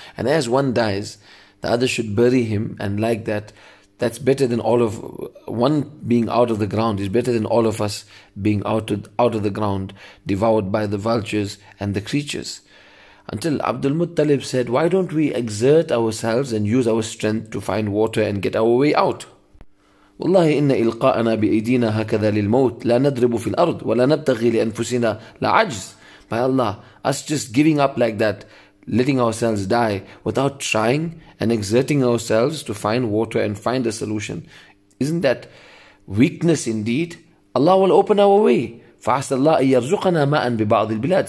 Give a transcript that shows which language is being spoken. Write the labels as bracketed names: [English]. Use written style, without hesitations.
[English] And as one dies, the other should bury him, and like that, that's better than all of one being out of the ground is better than all of us being out of the ground, devoured by the vultures and the creatures. Until Abdul Muttalib said, why don't we exert ourselves and use our strength to find water and get our way out? [Arabic] والله إن إلقاءنا بأيدينا هكذا للموت لا نضرب في الأرض ولا نبتغي لأنفسنا لعجز. [English] By Allah, us just giving up like that, letting ourselves die without trying and exerting ourselves to find water and find a solution, isn't that weakness indeed? Allah will open our way. [Arabic] فَعَسَى اللَّهُ أَنْ يَرْزُقَنَا مَاءً بِبَعْضِ الْبِلَادِ.